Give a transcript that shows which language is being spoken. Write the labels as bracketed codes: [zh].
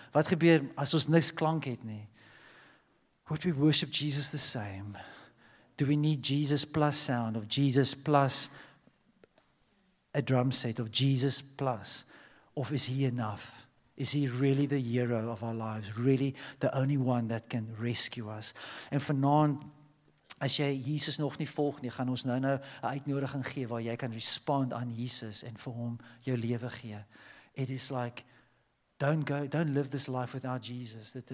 [af] Wat gebeur as ons niks klank het nie? [en] Would we worship Jesus the same? Do we need Jesus plus sound of Jesus plus a drum set of Jesus plus? Or is he enough? Is he really the hero of our lives? Really the only one that can rescue us? [af] En vanaand, as jy Jesus nog nie volg nie, gaan ons nou 'n uitnodiging gee waar jy kan respond aan Jesus en vir hom jou lewe gee. [en] It is like, don't live this life without Jesus.